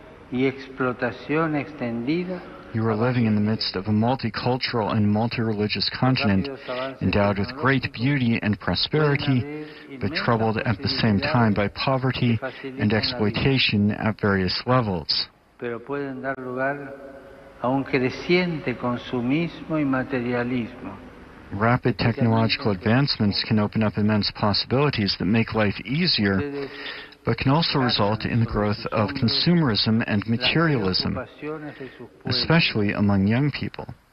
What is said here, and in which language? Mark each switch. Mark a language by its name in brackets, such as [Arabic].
[English] You are living in the midst of a multicultural and multireligious continent, endowed with great beauty and prosperity, but troubled at the same time by poverty and exploitation at various levels. [Spanish] Pero pueden dar lugar a un creciente consumismo y materialismo. [English] Rapid technological advancements can open up immense possibilities that make life easier, but can also result in the growth of consumerism and materialism, especially among young people.